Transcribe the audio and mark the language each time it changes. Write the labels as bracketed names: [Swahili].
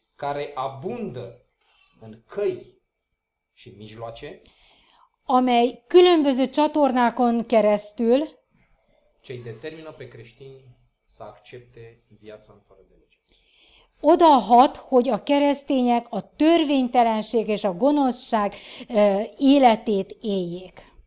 [Romanian] care abundă în căi și mijloace, [Hungarian] amely különböző csatornákon keresztül, [Romanian] ce îi determină pe creștini să accepte viața în fără de lege. [Hungarian] Oda hat, hogy a keresztények a törvénytelenség és a gonoszság életét éljék.